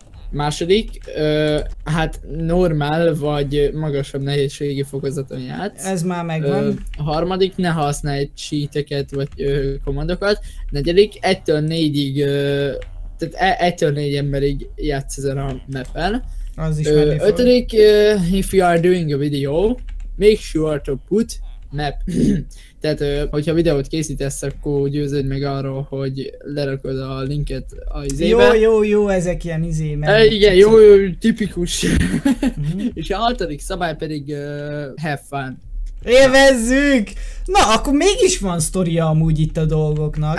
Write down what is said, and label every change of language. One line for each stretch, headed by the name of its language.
Hungarian: Második, hát normál vagy magasabb nehézségi fokozaton játsz. Ez már megvan. Harmadik, ne használj cheat-eket vagy komandokat. Negyedik, 1-4-ig... tehát 1-4 emberig játsz ezen a mappen. Az is
English: ötödik, if you are doing a video, make sure to put map.
Hungarian: Tehát, hogyha videót készítesz, akkor győződj meg arról, hogy lerakod a linket a izébe. Jó, ezek ilyen izé, mert... igen, jó, tipikus. És a hatodik szabály pedig
English: have fun.
Hungarian: Évezzük! Na, akkor mégis van sztoria amúgy itt a dolgoknak.